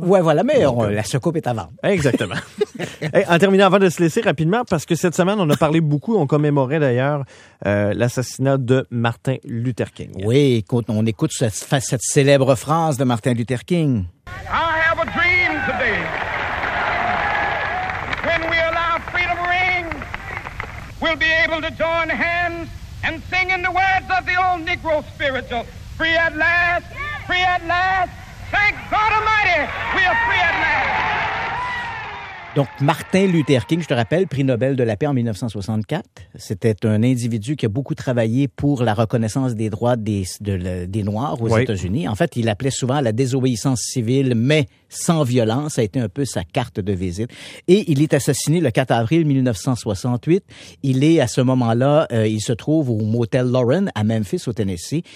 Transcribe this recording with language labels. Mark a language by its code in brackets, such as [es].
[fr] Oui, voilà, mais la soucoupe est à vendre. Exactement. Hey, en terminant, avant de se laisser rapidement, parce que cette semaine, on a parlé beaucoup, on commémorait d'ailleurs l'assassinat de Martin Luther King. Oui, écoute, on écoute cette célèbre phrase de Martin Luther King. [en] I have a dream today. When we allow freedom ring, we'll be able to join hands and sing in the words of the old Negro spiritual, free at last, free at last, thank God Almighty, we are free at last. [fr] Donc, Martin Luther King, je te rappelle, prix Nobel de la paix en 1964. C'était un individu qui a beaucoup travaillé pour la reconnaissance des droits des Noirs aux États-Unis. En fait, il appelait souvent à la désobéissance civile, mais sans violence. Ça a été un peu sa carte de visite. Et il est assassiné le 4 avril 1968. Il est, à ce moment-là, il se trouve au motel Lauren à Memphis, au Tennessee.